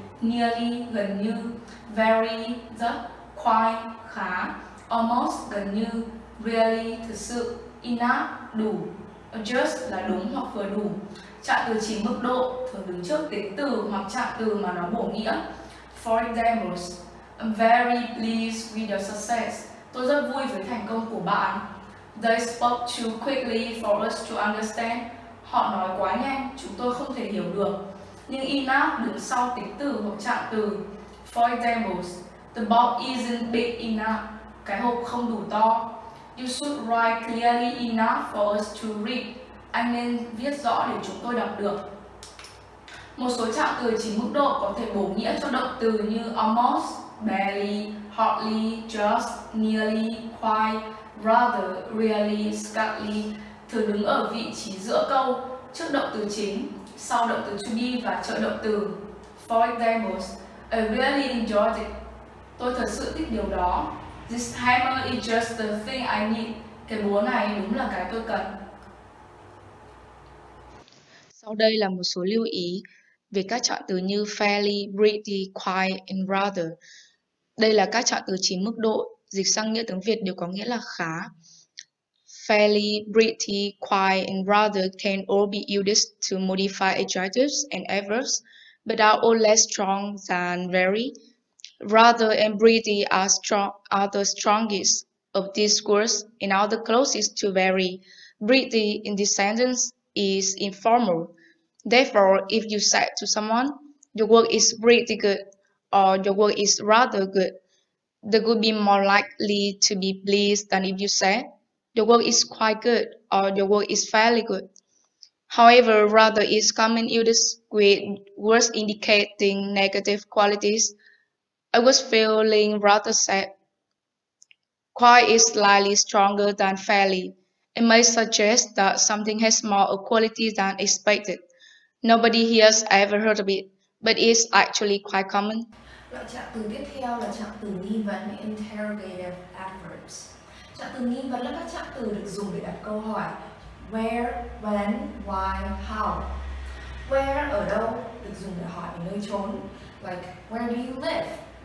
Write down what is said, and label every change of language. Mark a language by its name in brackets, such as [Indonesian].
[Vietnamese] nearly, gần như, very, rất, quite, khá, almost, gần như, really, thực sự, enough, đủ, just là đúng hoặc vừa đủ. Trạng từ chỉ mức độ thường đứng trước tính từ hoặc trạng từ mà nó bổ nghĩa. [English] For example, I'm very pleased with your success. [Vietnamese] Tôi rất vui với thành công của bạn. [English] They spoke too quickly for us to understand. [Vietnamese] Họ nói quá nhanh, chúng tôi không thể hiểu được. Nhưng enough đứng sau tính từ hoặc trạng từ. [English] For example, the box isn't big enough. [Vietnamese] Cái hộp không đủ to. [English] You should write clearly enough for us to read. [Vietnamese] Anh nên viết rõ để chúng tôi đọc được. Một số trạng từ chỉ mức độ có thể bổ nghĩa cho động từ như almost, barely, hardly, just, nearly, quite, rather, really, scarcely. Thường đứng ở vị trí giữa câu, trước động từ chính, sau động từ to be và trợ động từ. [English] For example, I really enjoyed it. [Vietnamese] Tôi thật sự thích điều đó. [English] This hammer is just the thing I need. [Vietnamese] Cái búa này đúng là cái tôi cần. Sau đây là một số lưu ý về các trạng từ như fairly, pretty, quite and rather. Đây là các trạng từ chỉ mức độ, dịch sang nghĩa tiếng Việt đều có nghĩa là khá. [English] Fairly, pretty, quite and rather can all be used to modify adjectives and adverbs, but are all less strong than very. Rather and pretty are strong, are the strongest of these words and are the closest to very. Pretty in this sentence is informal. Therefore, if you said to someone, your work is pretty good or your work is rather good, they would be more likely to be pleased than if you said, your work is quite good or your work is fairly good. However, rather is common used with words indicating negative qualities. I was feeling rather sad. Quite is slightly stronger than fairly. It may suggest that something has more of quality than expected. Nobody here has ever heard of it, but it's actually quite common. [Vietnamese] Loại trạng từ tiếp theo là trạng từ nghi vấn, interrogative adverbs. Trạng từ nghi vấn là các trạng từ được dùng để đặt câu hỏi where, when, why, how. Where, ở đâu, được dùng để hỏi nơi chốn. [English] Like, where do you live?